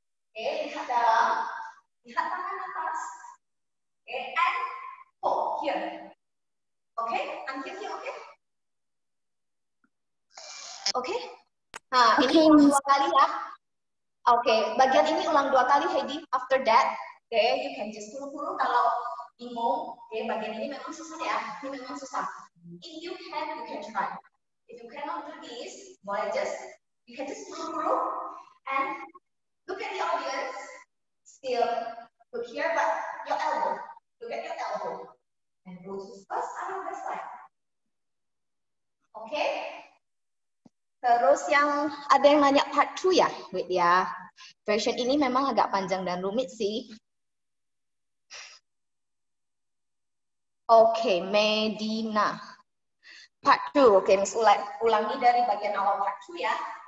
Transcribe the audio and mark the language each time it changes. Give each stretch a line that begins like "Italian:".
Indonesian: Oke, lihat dalam, lihat tangan atas. Oke,
English: and hold here. Oke, until here, oke?
Indonesian: Oke, nah ini ulang dua kali ya. Oke, bagian ini ulang dua kali, Heidi.
English: After that, oke, okay, you can just kuru-kuru
Indonesian: kalau bingung. Oke, okay, bagian ini memang susah ya. Ini memang susah.
English: If you can, you can try. If you cannot do this, boleh just, you can just kuru-kuru and Look at the audience. Still look here, but your elbow. Look at your elbow. And go to first side of the slide. Okay?
Indonesian: Terus yang ada yang nanya part 2 ya? Wait ya. Version ini memang agak panjang dan rumit sih.
English: Okay, Medina. Part 2.
Indonesian: Okay, Miss Ulang, ulangi dari bagian awal part 2 ya.